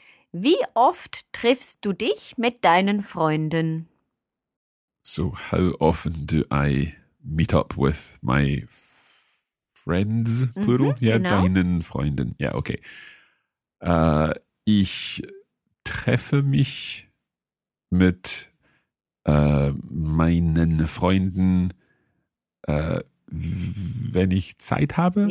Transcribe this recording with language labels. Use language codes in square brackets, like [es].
[de] Wie oft triffst du dich mit deinen Freunden? [en] So, how often do I meet up with my friends, plural? Mm-hmm, [de] ja, genau. Deinen Freunden. Ja, okay. Ich treffe mich mit meinen Freunden, wenn ich Zeit habe.